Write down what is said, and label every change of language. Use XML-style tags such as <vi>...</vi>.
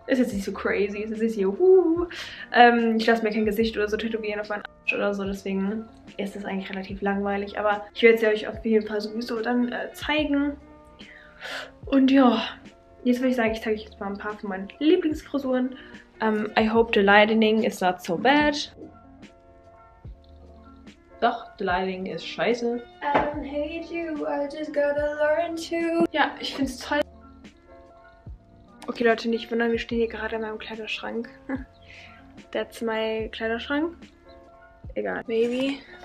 <de>Ist jetzt nicht so crazy, ist jetzt nicht so ich lasse mir kein Gesicht oder so tätowieren auf meinen Arsch oder so, deswegen ist das eigentlich relativ langweilig. Aber ich werde sie euch auf jeden Fall sowieso dann zeigen. Und ja, jetzt würde ich sagen, ich zeige euch jetzt mal ein paar von meinen Lieblingsfrisuren.</de> <en>I hope the lightning is not so bad. Doch, the lighting is scheiße. I don't hate you, I just gotta learn to.</en> <de>Ja, ich find's toll. Okay, Leute, nicht wundern, wir stehen hier gerade in meinem Kleiderschrank. That's my Kleiderschrank. Egal. Maybe.</de>